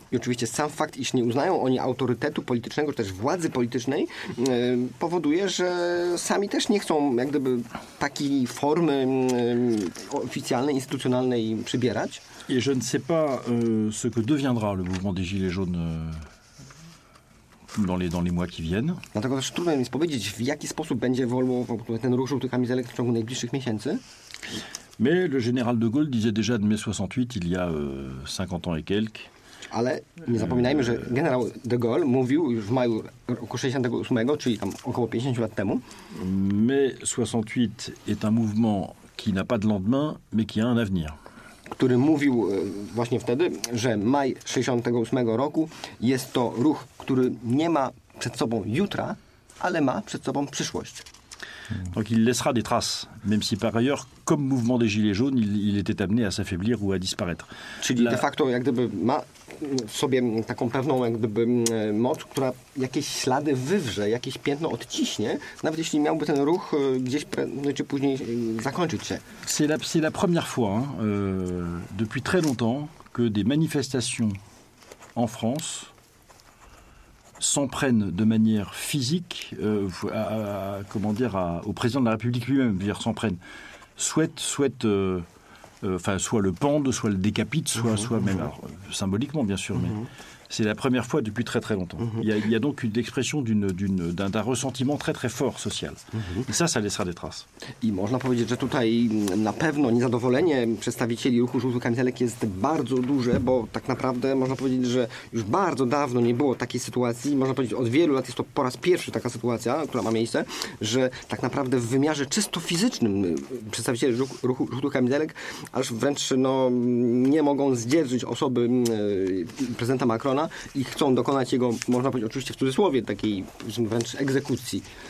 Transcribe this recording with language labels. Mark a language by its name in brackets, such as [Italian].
[Polish] I oczywiście sam fakt, iż nie uznają oni autorytetu politycznego, czy też władzy politycznej, powoduje, że sami też nie chcą jak gdyby takiej formy oficjalnej, instytucjonalnej przybierać. [French] Et je ne sais pas ce que deviendra le mouvement des Gilets jaunes. Dans les mois qui viennent. [Polish] Dlatego też trudno jest powiedzieć, w jaki sposób będzie ewoluował ten ruch żółtych kamizelek w ciągu najbliższych miesięcy. [French] Mais le général de Gaulle disait déjà de mai 68, il y a 50 ans et quelques. [Polish] Ale nie zapominajmy, że generał de Gaulle mówił już w maju roku 68, czyli tam około 50 lat temu. [French] Mai 68 est un mouvement qui n'a pas de lendemain, mais qui a un avenir. [Polish] Który mówił właśnie wtedy, że maj 68 roku jest to ruch, który nie ma przed sobą jutra, ale ma przed sobą przyszłość. [French] Donc il laissera des traces, même si par ailleurs, comme mouvement des Gilets jaunes, il était amené à s'affaiblir ou à disparaître. [Polish] Czyli de facto jak gdyby ma w sobie taką pewną jak gdyby moc, która jakieś ślady wywrze, jakieś piętno odciśnie, nawet jeśli miałby ten ruch gdzieś czy później zakończyć się. [French] C'est la première fois depuis très longtemps que des manifestations en France s'en prennent de manière physique au président de la République lui-même, c'est-à-dire s'en prennent, soit le pendent, soit le décapitent, symboliquement bien sûr, mais c'est la première fois depuis très très longtemps. Il y a donc une expression d'un ressentiment très très fort social. Et ça laissera des traces. [Polish] I można powiedzieć, że tutaj na pewno niezadowolenie przedstawicieli ruchu żółtych kamizelek jest bardzo duże, bo tak naprawdę można powiedzieć, że już bardzo dawno nie było takiej sytuacji. Można powiedzieć, od wielu lat jest to po raz pierwszy taka sytuacja, która ma miejsce, że tak naprawdę w wymiarze czysto fizycznym przedstawiciele ruchu żółtych kamizelek aż wręcz nie mogą zdzierżyć osoby prezydenta Macrona i chcą dokonać jego, można powiedzieć oczywiście w cudzysłowie, takiej wręcz egzekucji.